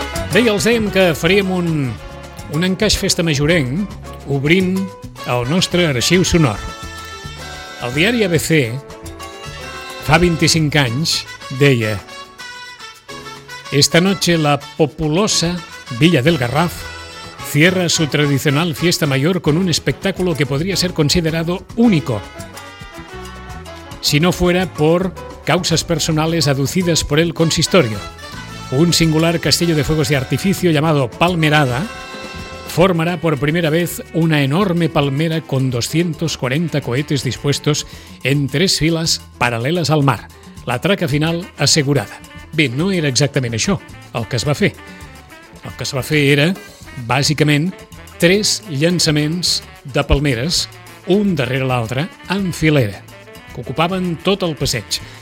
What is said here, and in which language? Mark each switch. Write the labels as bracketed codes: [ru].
[ca] Bé, ja els dèiem que faríem un encaix festa majorenc obrint el nostre arxiu sonor. El diari ABC fa 25 anys deia: [es] esta noche la populosa Villa del Garraf cierra su tradicional fiesta mayor con un espectáculo que podría ser considerado único, si no fuera por causas personales aducidas por el consistorio. Un singular castillo de fuegos de artificio llamado Palmerada formará por primera vez una enorme palmera con 240 cohetes dispuestos en tres filas paralelas al mar. [ca] La traca final assegurada. Bé, no era exactament això el que es va fer. El que es va fer era, bàsicament, tres llançaments de palmeres, un darrere l'altre, en filera, que ocupaven tot el passeig.